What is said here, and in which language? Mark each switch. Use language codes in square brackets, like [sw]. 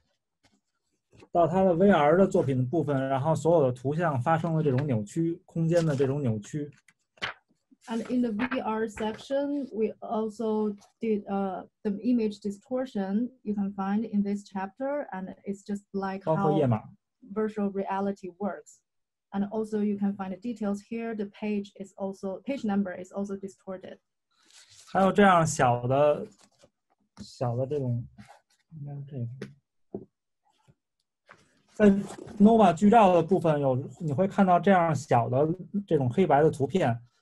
[zh] 包括了像这样，到他的 VR 的作品的部分，然后所有的图像发生了这种扭曲，空间的这种扭曲。 [en] And in the VR section, we also did the image distortion you can find in this chapter, and it's just like how virtual reality works. And also you can find the details here, the page is also, page number is also distorted. [zh] 还有这样小的这种, 在 Nova 剧照的部分有，你会看到这样小的这种黑白的图片。